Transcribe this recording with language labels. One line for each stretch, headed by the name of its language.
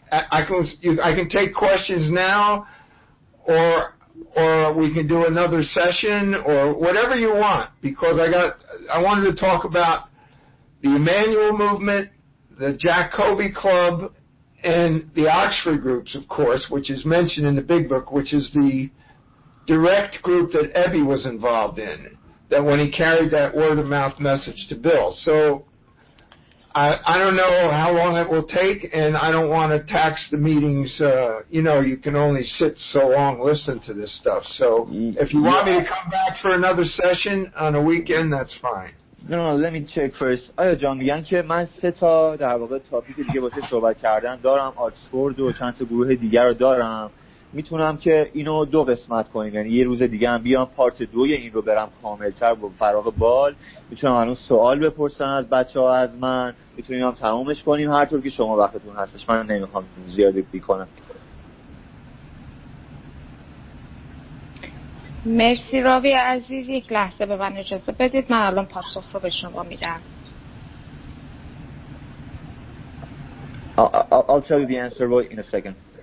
English: I can take questions now, or we can do another session, or whatever you want, because I wanted to talk about the Emmanuel Movement, the Jack Covey Club, and the Oxford Groups, of course, which is mentioned in the Big Book, which is the direct group that Ebby was involved in, that when he carried that word-of-mouth message to Bill. So I don't know how long it will take, and I don't want to tax the meetings. You know, you can only sit so long listening to this stuff. So if you want me to come back for another session on a weekend, that's fine. No, let me check first.
Persian: آیا جان میگن که من سه تا در واقع تاپیک دیگه واسه صحبت کردن دارم، آکسفورد و چند تا گروه دیگر رو دارم. میتونم که اینو دو قسمت کنیم، یعنی یه روز دیگه هم بیام پارت دوی این رو برم کاملتر با فراغ بال، میتونم هنوز سوال بپرسن از بچه ها از من، میتونیم هم تمومش کنیم هر طور که شما وقتتون هستش. من نمیخوام زیادی بی کنم. مرسی راوی عزیز، یک لحظه به من اجازه بدید، من الان پاسخ رو به شما میدم.
English: I'll tell you the answer in a second.